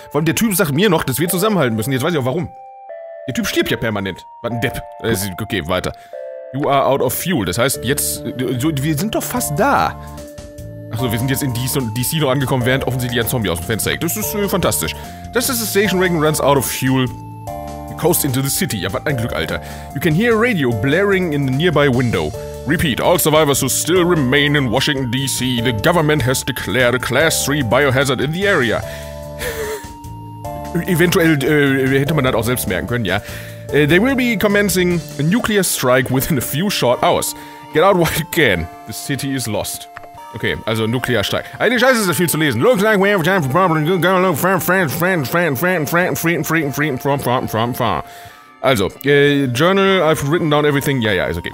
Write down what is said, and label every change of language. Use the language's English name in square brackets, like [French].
[German] Vor allem der Typ sagt mir noch, dass wir zusammenhalten müssen. Jetzt weiß ich auch warum. Der Typ stirbt ja permanent. Was ein Depp. Okay, weiter. [English] You are out of fuel. [German] Das heißt, jetzt... Wir sind doch fast da. Achso, wir sind jetzt in DC noch angekommen, während offensichtlich ein Zombie aus dem Fenster hängt. Das ist fantastisch. [English] Just as the station wagon runs out of fuel, we coast into the city. [German] Ja, was ein Glück, Alter. [English] You can hear a radio blaring in the nearby window. Repeat, all survivors who still remain in Washington, D.C., the government has declared a Class 3 biohazard in the area. [German] Eventuell hätte man das auch selbst merken können, ja. [English] They will be commencing a nuclear strike within a few short hours. Get out while you can. The city is lost. [German] Okay, also nuklear strike. Eigentlich scheiße, ist das viel zu lesen. [English] Looks like we have time for problems. Good girl, look, Also, Journal, I've written down everything. [German] Ja, ja, ist okay.